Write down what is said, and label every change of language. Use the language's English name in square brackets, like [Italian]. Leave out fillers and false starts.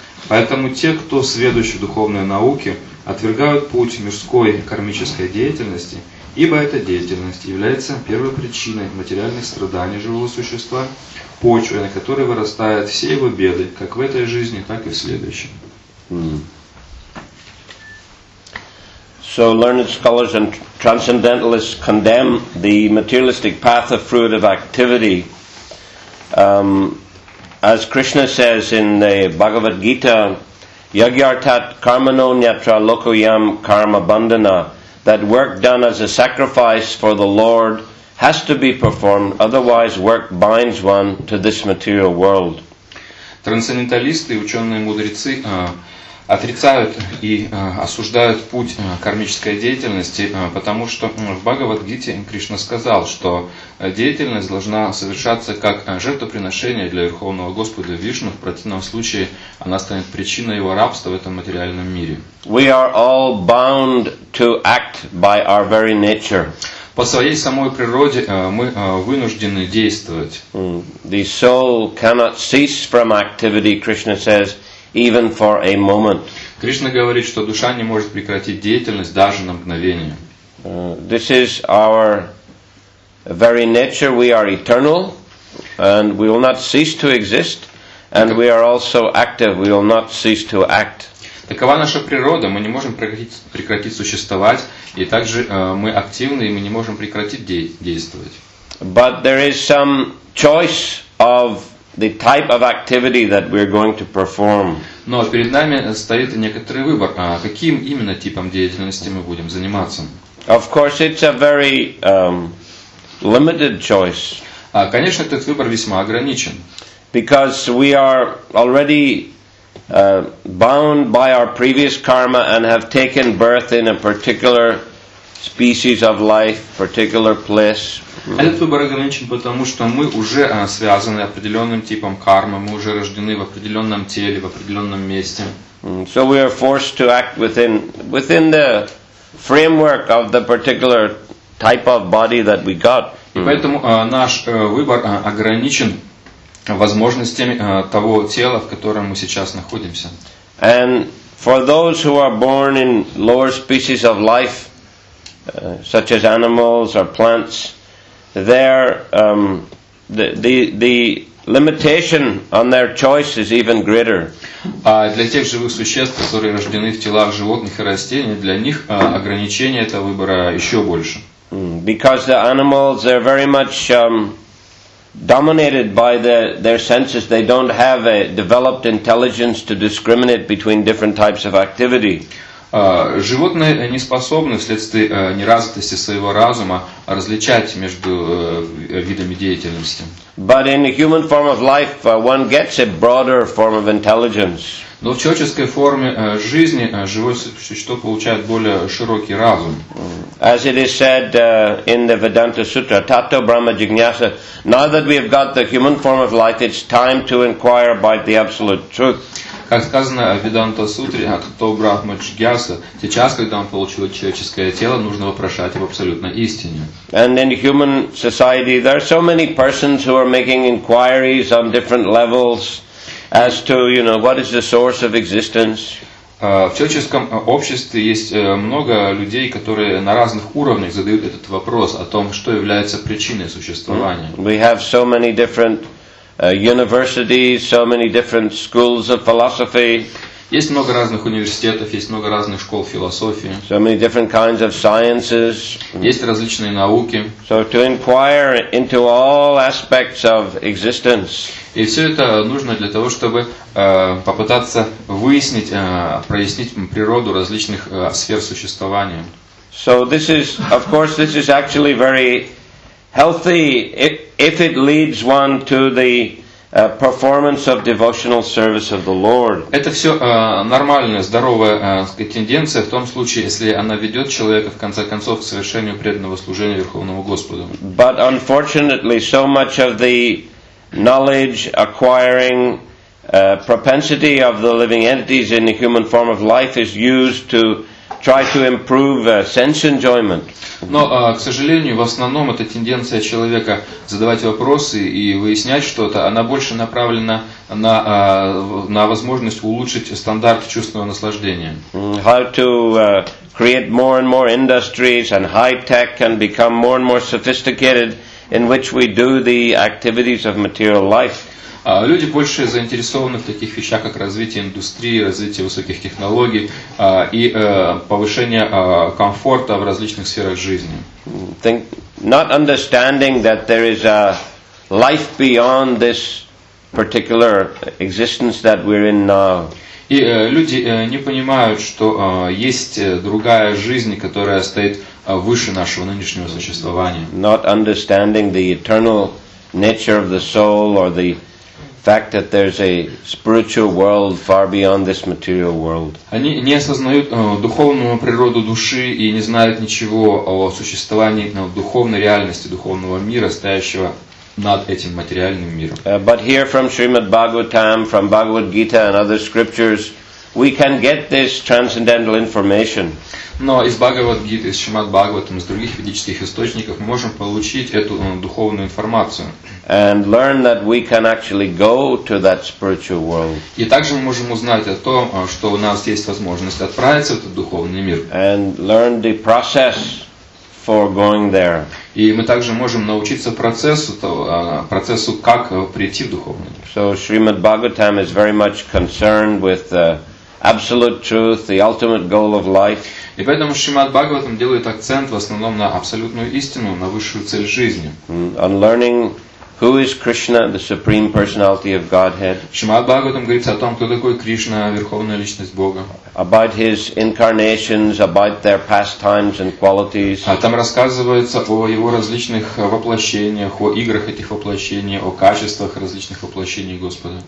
[Russian] Поэтому те, кто сведущ в духовной науке, отвергают путь мирской кармической деятельности, ибо эта деятельность является первой причиной материальных страданий живого существа, почвой, на которой вырастают все его беды, как в этой жизни, так и в следующей. [English] So learned scholars and transcendentalists condemn the materialistic path of fruitive activity. As Krishna says in the Bhagavad Gita, [Sanskrit] Yagyartat karmano nyatra lokoyam karma bandana, [English] that work done as a sacrifice for the Lord has to be performed, otherwise work binds one to this material world. [Russian] Трансценденталисты, ученые-мудрецы, отрицают и осуждают путь кармической деятельности, потому что в Бхагавад-гите Кришна сказал, что деятельность должна совершаться как жертвоприношение для Верховного Господа Вишну, в противном случае она станет причиной его рабства в этом материальном мире. [English] We are all bound to act by our very nature. [Russian] По своей самой природе мы вынуждены действовать. [English] The soul cannot cease from activity, Krishna says, even for a moment. [Russian] Кришна говорит, что душа не может прекратить деятельность даже на мгновение. [English] This is our very nature. We are eternal, and we will not cease to exist, and we are also active. We will not cease to act. [Russian] Такова наша природа. Мы не можем прекратить существовать, и также мы активны, и мы не можем прекратить действовать. [English] But there is some choice of the type of activity that we're going to perform. [Russian] Но перед нами стоит некоторый выбор, каким именно типом деятельности мы будем заниматься. [English] Of course, it's a very limited choice. [Russian] Конечно, этот выбор весьма ограничен. [English] because we are already bound by our previous karma and have taken birth in a particular species of life, particular place. [Russian] Этот выбор ограничен, потому что мы уже связаны определенным типом кармы, мы уже рождены в определенном теле, в определенном месте. [English] So we are forced to act within the framework of the particular type of body that we got. [Russian] И поэтому наш выбор ограничен возможностями того тела, в котором мы сейчас находимся. [English] And for those who are born in lower species of life, such as animals or plants, the limitation on their choice is even greater. [Russian] Для тех живых существ, которые рождены в телах животных и растений, для них ограничение этого выбора еще больше. [English] Because the animals are very much dominated by their senses, they don't have a developed intelligence to discriminate between different types of activity. [Russian] Животные не способны вследствие неразвитости своего разума различать между видами деятельности. [English] But in a human form of life, one gets a broader form of intelligence. [Russian] Но в человеческой форме жизни живое существо получает более широкий разум. [English] As it is said in the Vedanta Sutra, [Sanskrit] Tato Brahma Jignasa, [English] now that we have got the human form of life, it's time to inquire about the absolute truth. [Russian] Как сказано в Веданта Сутре, [Sanskrit] Тато Брахма Джигьяса, [Russian] сейчас, когда он получил человеческое тело, нужно вопрошать об абсолютной истине. [English] And in human society, there are so many persons who are making inquiries on different levels as to, you know, what is the source of existence. [Russian] В человеческом обществе есть много людей, которые на разных уровнях задают этот вопрос о том, что является причиной существования. [English] We have so many different universities, so many different schools of philosophy. [Russian] Есть много разных университетов, есть много разных школ философии. [English] So many different kinds of sciences. [Russian] Есть различные науки. [English] So to inquire into all aspects of existence. [Russian] И все это нужно для того, чтобы попытаться выяснить, прояснить природу различных сфер существования. [English] So this is, of course, this is actually very healthy if it leads one to the performance of devotional service of the Lord. [Russian] Это все нормальная, здоровая тенденция в том случае, если она ведет человека в конце концов к совершению преданного служения Верховному Господу. [English] But unfortunately, so much of the knowledge acquiring propensity of the living entities in the human form of life is used to try to improve sense enjoyment. [Russian] Но, к сожалению, в основном эта тенденция человека задавать вопросы и выяснять что-то, она больше направлена на возможность улучшить стандарт чувственного наслаждения. [English] How to create more and more industries and high tech can become more and more sophisticated in which we do the activities of material life. [Russian] Люди больше заинтересованы в таких вещах, как развитие индустрии, развитие высоких технологий и повышение комфорта в различных сферах жизни. [English] Not understanding that there is a life beyond this particular existence that we're in now. [Russian] И люди не понимают, что есть другая жизнь, которая стоит выше нашего нынешнего существования. [English] Not understanding the eternal nature of the soul or the fact that there's a spiritual world far beyond this material world. [Russian] Они не осознают духовную природу души и не знают ничего о существовании духовной реальности, духовного мира, стоящего над этим материальным миром. [English] But here from Srimad Bhagavatam, from Bhagavad Gita and other scriptures, we can get this transcendental information. [Russian] Но из Бхагавад Гиты, из Шримад Бхагаватам, из других ведических источников мы можем получить эту духовную информацию. [English] And learn that we can actually go to that spiritual world. [Russian] И также мы можем узнать о том, что у нас есть возможность отправиться в этот духовный мир. [English] And learn the process for going there. [Russian] И мы также можем научиться процессу, как прийти в духовный мир. [English] So Srimad Bhagavatam is very much concerned with the absolute truth, the ultimate goal of life. [Russian] И поэтому Шримад Бхагаватам делает акцент в основном на абсолютную истину, на высшую цель жизни. [English] On learning Who is Krishna, the Supreme Personality of Godhead? [Russian] Шримад Бхагаватам говорится о том, кто такой Кришна, верховная личность Бога. About his incarnations, about their pastimes and qualities. А там рассказывается о его различных воплощениях, о играх этих воплощений, о качествах различных воплощений Господа.